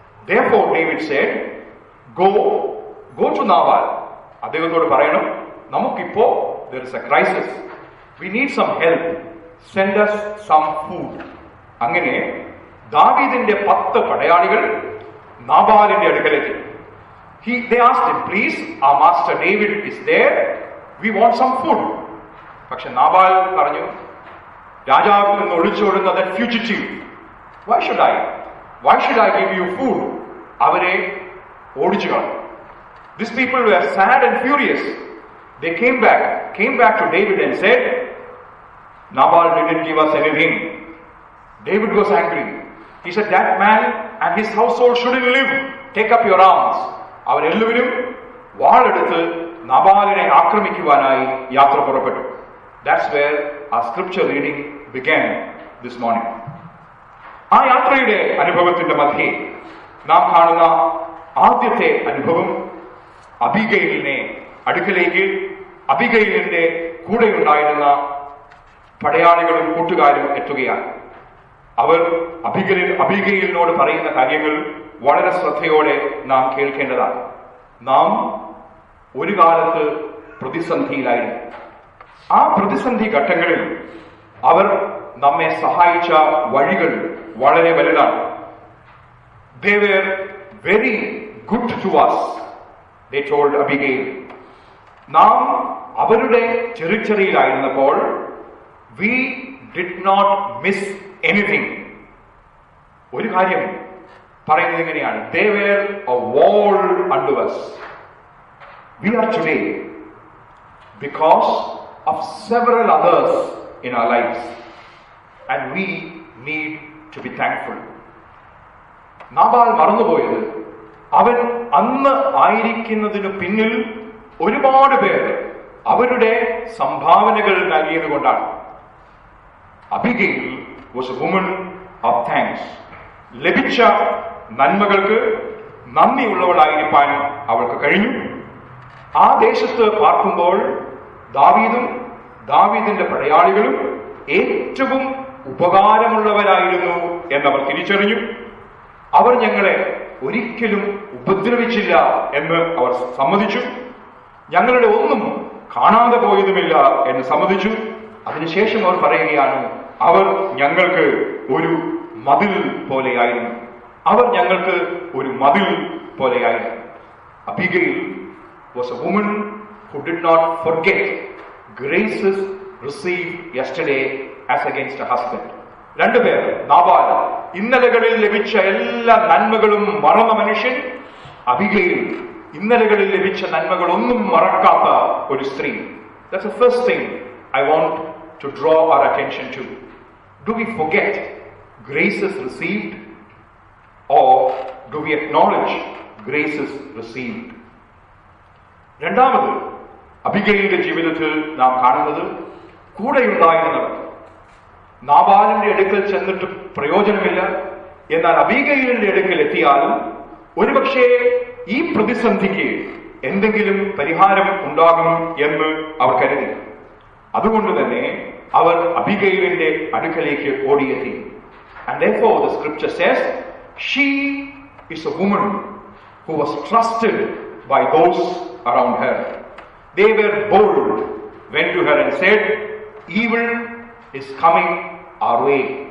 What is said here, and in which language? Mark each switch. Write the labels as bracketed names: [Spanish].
[English] Therefore David said, go to Nabal. [Malayalam] അദ്ദേഹത്തോട് പറയണം, നമുക്കിപ്പോ [English] there is a crisis, we need some help, send us some food. [Malayalam] അങ്ങനെ ദാവീദിന്റെ 10 പടയാളികൾ നാബാലിന്റെ അടുക്കലെത്തി. [English] They asked him, please, our master David is there, we want some food. [Malayalam] പക്ഷെ Nabal പറഞ്ഞു, രാജാവിൽ നിന്ന് ഒളിച്ചോടുന്ന [English] that fugitive, why should I give you food? [Malayalam] അവരെ ഓടിച്ചു കാണും. [English] These people were sad and furious. They came back to David and said, Nabal didn't give us anything. David was angry. He said, that man and his household shouldn't live. Take up your arms. [Malayalam] അവരെല്ലാവരും വാളെടുത്ത് നബാലിനെ ആക്രമിക്കുവാനായി യാത്ര പുറപ്പെട്ടു. [English] That's where our scripture reading began this morning. [Malayalam] ആ യാത്രയുടെ അനുഭവത്തിന്റെ മധ്യേ നാം കാണുന്ന ആദ്യത്തെ അനുഭവം അബിഗയിലിനെ അടുക്കലേക്ക് അബിഗയിലിന്റെ കൂടെ ഉണ്ടായിരുന്ന പടയാളികളും കൂട്ടുകാരും എത്തുകയാണ്. അവർ അബിഗയിലിനോട് പറയുന്ന കാര്യങ്ങൾ വളരെ ശ്രദ്ധയോടെ നാം കേൾക്കേണ്ടതാണ്. നാം ഒരു കാലത്ത് പ്രതിസന്ധിയിലായിരുന്നു. ആ പ്രതിസന്ധി ഘട്ടങ്ങളിൽ അവർ നമ്മെ സഹായിച്ച വഴികൾ വളരെ വലുതാണ്. [English] They were very good to us, they told Abigail. [Malayalam] നാം അവരുടെ ചെറിച്ചെറിയിലായിരുന്നപ്പോൾ [English] We did not miss anything. [Malayalam] ഒരു കാര്യം പറയുന്നത് ഇങ്ങനെയാണ്, [English] They were a wall under us. We are today because of several others in our lives, and we need to be thankful. [Malayalam] Nabal മറന്നുപോയത് അവൻ അന്ന് ആയിരിക്കുന്നതിന് പിന്നിൽ ഒരുപാട് പേർ അവരുടെ സംഭാവനകൾ നൽകിയത് കൊണ്ടാണ്. [English] Abigail was a woman of thanks. [Malayalam] ലഭിച്ച നന്മകൾക്ക് നന്ദിയുള്ളവളായിരിക്കാൻ അവൾക്ക് കഴിഞ്ഞു. ആ ദേശത്ത് പാർക്കുമ്പോൾ ദാവീദും ദാവീദിന്റെ പടയാളികളും ഏറ്റവും ഉപകാരമുള്ളവരായിരുന്നു എന്നവർ തിരിച്ചറിഞ്ഞു. അവർ ഞങ്ങളെ ഒരിക്കലും ഉപദ്രവിച്ചില്ല എന്ന് അവർ സമ്മതിച്ചു. ഞങ്ങളുടെ ഒന്നും കാണാതെ പോയതുമില്ല എന്ന് സമ്മതിച്ചു. അതിനുശേഷം അവർ പറയുകയാണ്, അവർ ഞങ്ങൾക്ക് ഒരു മതിൽ പോലെയായിരുന്നു. [English] Abigail was a woman who did not forget graces received yesterday as against her husband. [Malayalam] രണ്ടു പേർ, നാബാൽ ഇന്നലകളിൽ ലഭിച്ച എല്ലാ നന്മകളും മറന്ന മനുഷ്യൻ, അബിഗയിൽ ഇന്നലകളിൽ ലഭിച്ച നന്മകളൊന്നും മറക്കാത്ത ഒരു സ്ത്രീ. [English] That's the first thing I want to draw our attention to. Do we forget graces received? Or do we acknowledge graces received? [Malayalam] രണ്ടാമത്തെ അബിഗയിലിന്റെ ജീവിതത്തിൽ നാം കാണുന്നത് കൂടെയുണ്ടായിരുന്നവർ നാബാലിന്റെ അടുക്കൽ ചെന്നിട്ട് പ്രയോജനമില്ല, എന്നാൽ അബിഗയിലിന്റെ അടുക്കൽ എത്തിയാലും ഒരുപക്ഷെ ഈ പ്രതിസന്ധിക്ക് എന്തെങ്കിലും പരിഹാരം ഉണ്ടാകും എന്ന് അവർ കരുതി. അതുകൊണ്ട് തന്നെ അവർ അബിഗയിലിന്റെ അടുക്കലേക്ക് ഓടിയെത്തി. [English] And therefore the scripture says, she is a woman who was trusted by those around her. They were bold, went to her and said, evil is coming our way.